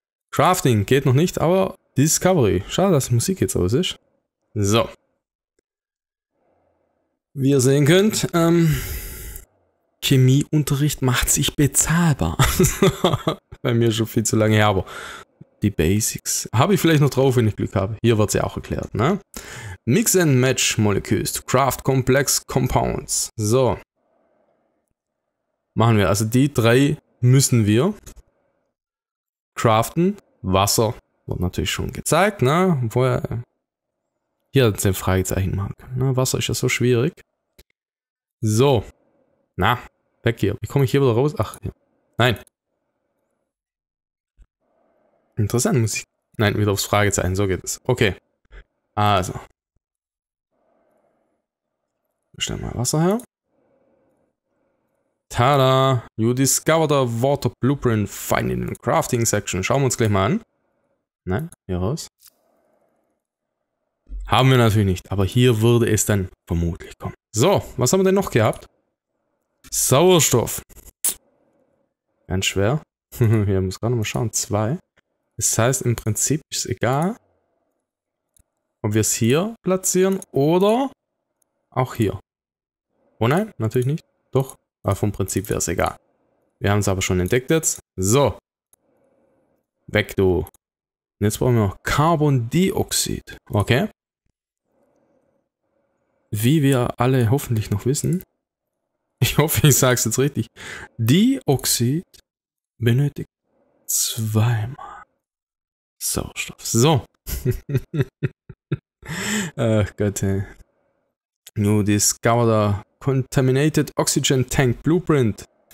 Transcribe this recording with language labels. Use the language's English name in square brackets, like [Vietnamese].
[German] Crafting geht noch nicht, aber Discovery. Schade, dass die Musik jetzt aus ist. So. Wie ihr sehen könnt, Chemieunterricht macht sich bezahlbar. Bei mir schon viel zu lange her, aber die Basics habe ich vielleicht noch drauf, wenn ich Glück habe. Hier wird es ja auch erklärt, ne? [English] Mix and Match Molecules to craft complex compounds. [German] So. Machen wir. Also die 3 müssen wir craften. Wasser wird natürlich schon gezeigt, ne? Vorher hier hat es ein Fragezeichen machen, ne? Wasser ist ja so schwierig. So. Na, weg hier. Wie komme ich hier wieder raus? Ach, hier. Nein. Interessant, muss ich. Nein, wieder aufs Fragezeichen. So geht es. Okay. Also. Wir stellen mal Wasser her. Tada! [English] You discovered a water blueprint. Find in the crafting section. [German] Schauen wir uns gleich mal an. Nein, hier raus. Haben wir natürlich nicht, aber hier würde es dann vermutlich kommen. So, was haben wir denn noch gehabt? Sauerstoff. Ganz schwer. Wir müssen gerade mal schauen. 2. Das heißt, im Prinzip ist es egal, ob wir es hier platzieren oder auch hier. Oh nein, natürlich nicht. Doch, aber vom Prinzip wäre es egal. Wir haben es aber schon entdeckt jetzt. So. Weg, du. Und jetzt brauchen wir noch Carbondioxid. Okay. Wie wir alle hoffentlich noch wissen. Ich hoffe, ich sage es jetzt richtig. Dioxid benötigt 2-mal Sauerstoff. So. Ach Gott. Hey. [English] New discovered contaminated oxygen tank blueprint.